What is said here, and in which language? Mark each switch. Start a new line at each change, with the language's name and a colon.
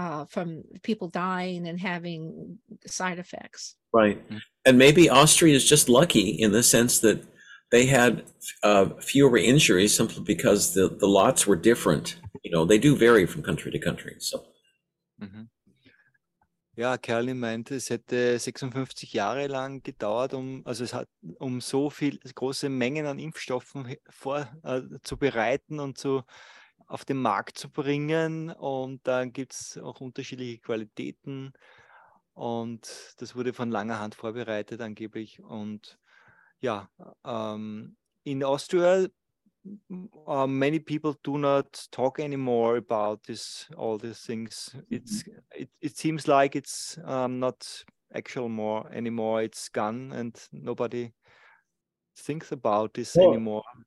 English: From people dying and having side effects. Right. And maybe Austria is just lucky in the sense that they had fewer injuries simply because the lots were different. You know, they do vary from country to country. So. Mm-hmm.
German: Ja, Kerlin meinte, es hätte 56 Jahre lang gedauert, um so viel große Mengen an Impfstoffen vorzubereiten und zu auf den Markt zu bringen. Und dann gibt es auch unterschiedliche Qualitäten. Und das wurde von langer Hand vorbereitet angeblich. Und ja,
English: in Austria, many people do not talk anymore about this, all these things. It seems like it's not actual more anymore. It's gone and nobody thinks about this anymore.